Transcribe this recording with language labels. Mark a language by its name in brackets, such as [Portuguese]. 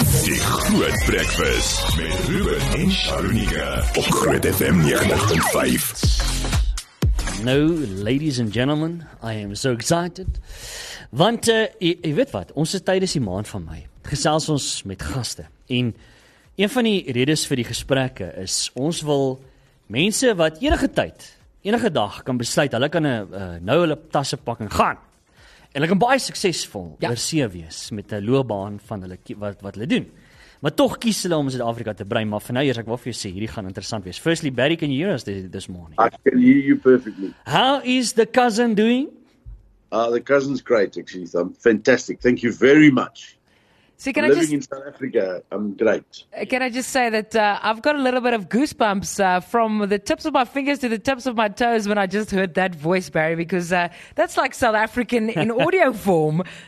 [Afrikaans] die Groot Breakfast met Ruben en Sharunika op Groot FM 95. [English] Nou, ladies and gentlemen, I am so excited. [Afrikaans] Want, jy weet wat, ons is tydens die maand van Mei. Gesels ons met gaste. En een van die redes vir die gesprekke is, ons wil mense wat enige tyd, enige dag kan besluit, hulle kan nou hulle tasse pak en gaan. En hulle kan baie suksesvol oorsee wees met 'n loopbaan van hulle, wat hulle doen. Maar toch kies hulle om in Suid-Afrika te brei, maar van nou eers, ek wil vir jou sê, hierdie gaan interessant wees. [English] Firstly, Barry, can you hear us this morning? I can hear you perfectly. How is the cousin doing? The cousin's great, actually. I'm fantastic. Thank you very much. See, can living I just, in South Africa, I'm great. Can I just say that I've got a little bit of goosebumps from the tips of my fingers to the tips of my toes when I just heard that voice, Barry, because that's like South African in audio form.